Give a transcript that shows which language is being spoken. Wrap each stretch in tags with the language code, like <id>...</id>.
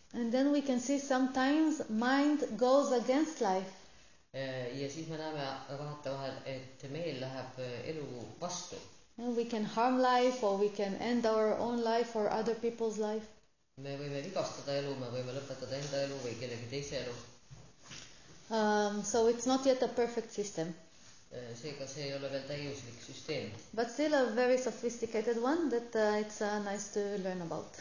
<en>And then we can see sometimes mind goes against life.</en> <et>Ja siis me näeme vahata vahel, et meil läheb elu vastu.</et> <en>And we can harm life or we can end our own life or other people's life.</en> <et>Me võime vigastada elu, me võime lõpetada enda elu või kellegi teise elu.</et> <en>So it's not yet a perfect system.</en> <et>Seega see ei ole veel täiuslik süsteem.</et> <en>But still a very sophisticated one that it's nice to learn about.</en>